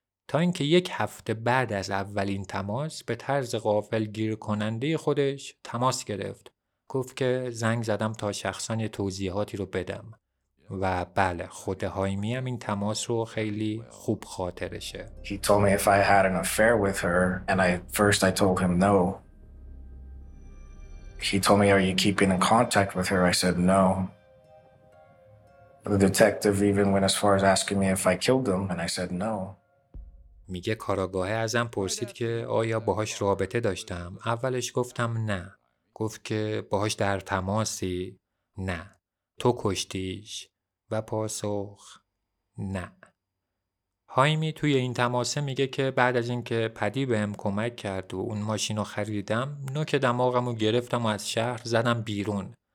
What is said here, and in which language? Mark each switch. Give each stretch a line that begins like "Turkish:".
Persian: تا اینکه یک هفته بعد از اولین تماس به طرز غافلگیرکننده خودش تماس گرفت. گفت که زنگ زدم تا شخصاً یه توضیحاتی رو بدم. و بله، خود هایمی هم این تماس رو خیلی خوب خاطرشه.
English: He told me if I had an affair with her and I told him no. He told me, are you keeping in contact with her? I said no. The detective even went as far as asking me if I killed them and I said no.
Persian: میگه کاراگاه ازم پرسید که آیا باهاش رابطه داشتم. اولش گفتم نه. گفت که باهاش در تماسی؟ نه. تو کشتیش؟ و پاسخ نه. هایمی توی این تماسه میگه که بعد از اینکه پدی بهم کمک کرد و اون ماشینو خریدم، نوک دماغمو گرفتم و از شهر زدم بیرون.